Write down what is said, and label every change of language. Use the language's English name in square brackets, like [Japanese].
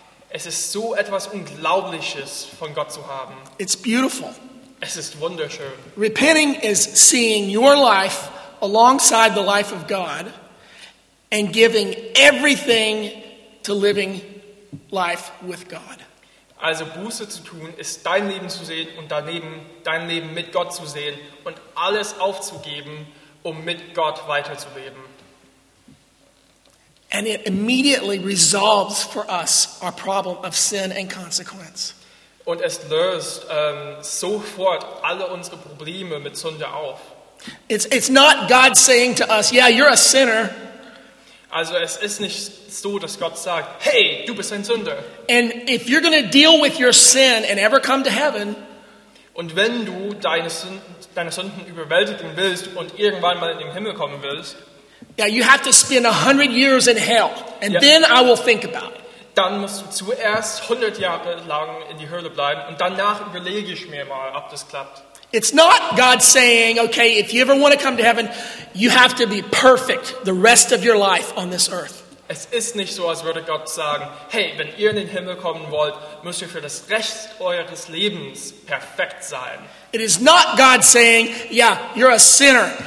[German] Es ist so etwas Unglaubliches von Gott zu haben. [English] It's beautiful. [German] Es ist wunderschön. [English] Repenting is seeing your life alongside the life of God and giving everything to living life with God. [German] Also Buße zu tun ist dein Leben zu sehen und daneben dein Leben mit Gott zu sehen und alles aufzugeben, um mit Gott weiterzuleben. [English] And it immediately resolves for us our problem of sin and consequence. [German] Und es löst sofort alle unsere Probleme mit Sünde auf. [English] It's not God saying to us, yeah, you're a sinner. [German] Also es ist nicht so, dass Gott sagt, hey, du bist ein Sünder. [English] And if you're going to deal with your sin and ever come to heaven, [German] und wenn du deine Sünden überwältigen willst und irgendwann mal in den Himmel kommen willst, [English] yeah, you have to spend 100 years in hell and yeah, then I will think about it. [German] Dann musst du zuerst 100 Jahre lang in die Hölle bleiben und danach überlege ich mir mal, ob das klappt. [English] It's not God saying, okay, if you ever want to come to heaven, you have to be perfect the rest of your life on this earth. [German] Es ist nicht so, als würde Gott sagen, hey, wenn ihr in den Himmel kommen wollt, müsst ihr für das Rest eures Lebens perfekt sein. [English] It is not God saying, yeah, you're a sinner.